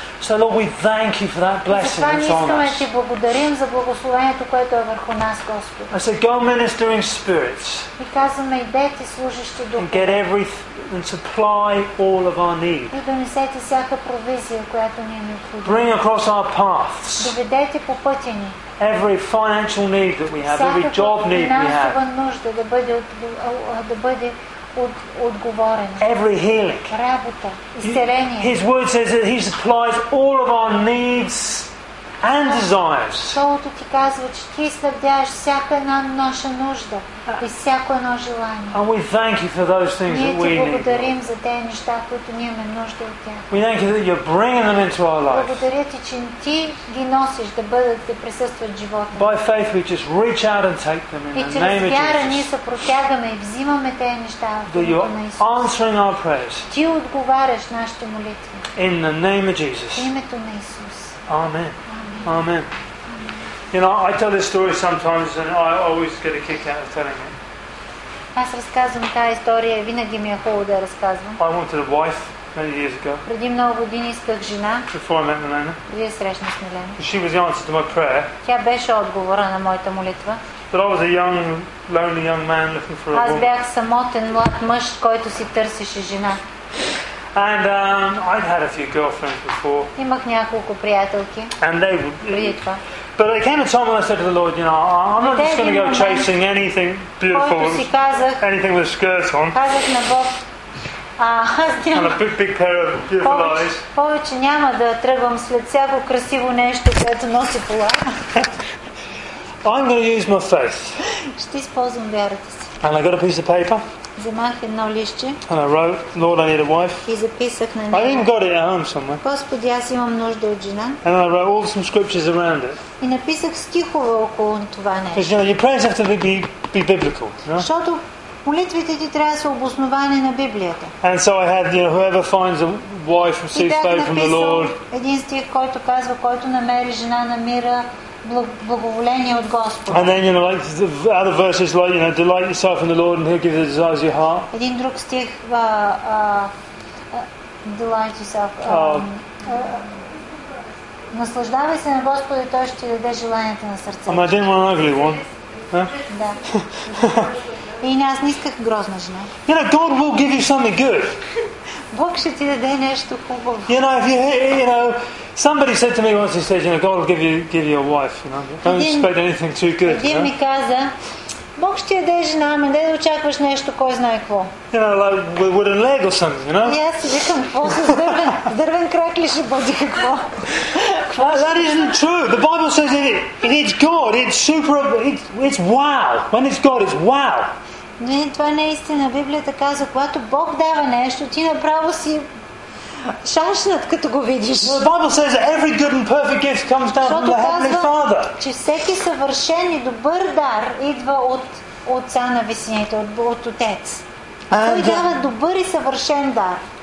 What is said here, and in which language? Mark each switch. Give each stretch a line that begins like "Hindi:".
English: So Lord, we thank you for that blessing that's on us.
Bulgarian: Искаме да ти благодарим за благословението, което е върху нас, Господ.
English: I say, go ministering spirits.
Bulgarian: И казваме, идете служещи духа.
English: And get everything and supply all of our need.
Bulgarian: И донесете всяка провизия, която ни е необходима.
English: Bring across our paths.
Bulgarian: Доведете по пътя ни.
English: Every financial need that we have, every job need we have.
Bulgarian: Всяка нужда да бъде отговорен.
English: Every healing.
Bulgarian: Работа, изцеление.
English: His word says that he supplies all of our needs and desires.
Bulgarian: Словото ти казва, че ти снабдяваш всяка една наша нужда и всяко едно желание.
English: And we thank you for those things that we need.
Bulgarian: Ние ти благодарим за тези неща, които ние имаме нужда от тях.
English: We thank you that you're bringing them into our life.
Bulgarian: Благодаря ти, че ти ги носиш да бъдат и присъстват в живота.
English: By faith we just reach out and take them in the name of Jesus.
Bulgarian: И чрез вяра ние се протягаме и взимаме тези неща в името на Исус.
English: That you're answering our prayers.
Bulgarian: Ти отговаряш нашите молитви.
English: In the name of Jesus.
Bulgarian: В името на Исус.
English: Amen. Amen. You know, I tell this story sometimes and I always get a kick out of telling it.
Bulgarian: Аз разказвам тази история и винаги ми е хубаво да разказвам.
English: I wanted a wife many years ago.
Bulgarian: Преди много години исках жена.
English: Before I met Milena.
Bulgarian: Преди да срещна с Милена.
English: She was the answer to my prayer.
Bulgarian: Тя беше отговора на моята молитва.
English: But I was a young, lonely young man looking for a woman.
Bulgarian: Аз бях самотен млад мъж, който си търсеше жена.
English: And I'd had a few girlfriends before.
Bulgarian: Имах няколко приятелки.
English: And they would. But I came to Tom and I said to the Lord, you know, I'm not just going to go chasing anything beautiful, anything with a skirt on.
Bulgarian: Казах на Бог,
English: and a big pair of beautiful eyes.
Bulgarian: Повече няма да тръгвам след всяко красиво нещо, което носи пола.
English: I'm going to use my faith.
Bulgarian: Ще използвам вярата си.
English: And I got a piece of paper.
Bulgarian: Замах едно лище.
English: And I wrote, Lord, I need a wife.
Bulgarian: И записах на него.
English: I even got it at home somewhere.
Bulgarian: Господи, аз имам нужда от жена.
English: And I wrote all some scriptures around it.
Bulgarian: И написах стихове около това нещо.
English: Because, you know, your prayers have to be biblical.
Bulgarian: Защото молитвите ти трябва да са обосновани на Библията.
English: And so I had, you know, whoever finds a wife receives favor from the Lord.
Bulgarian: Един стих, който казва, който намери жена, намира благоволение от Господа.
English: And then, you know, like the other verses, like, you know, delight yourself in the Lord and he'll give you the desires of your heart.
Bulgarian: Един друг стих,
English: delight yourself.
Bulgarian: Наслаждавай се на Господа и той ще ти даде желанието на сърцето.
English: I didn't want an ugly one.
Bulgarian: Да. И аз не исках грозна жена.
English: You know, God will give you something good.
Bulgarian: Бог ще ти даде нещо хубаво.
English: You know, if you know, somebody said to me once, he said, you know, God will give you a wife, you know. Don't expect anything too good.
Bulgarian: Един ми каза, Бог ще ти даде жена, ама не да очакваш нещо, кой знае какво.
English: You know, like wooden leg or something, you know.
Bulgarian: И аз си викам, какво с дървен крак ли ще бъде какво?
English: That isn't true. The Bible says it's God, it's super, it's wow. When it's God, it's wow.
Bulgarian: Не, това не е истина. Библията казва, когато Бог дава нещо, ти направо си шашнат, като го видиш.
English: The Bible says that every good and perfect gift comes down from the Heavenly Father.
Bulgarian: Че всеки съвършен и добър дар идва от Отца на Висините, от Отец. Той дава добър и съвършен дар.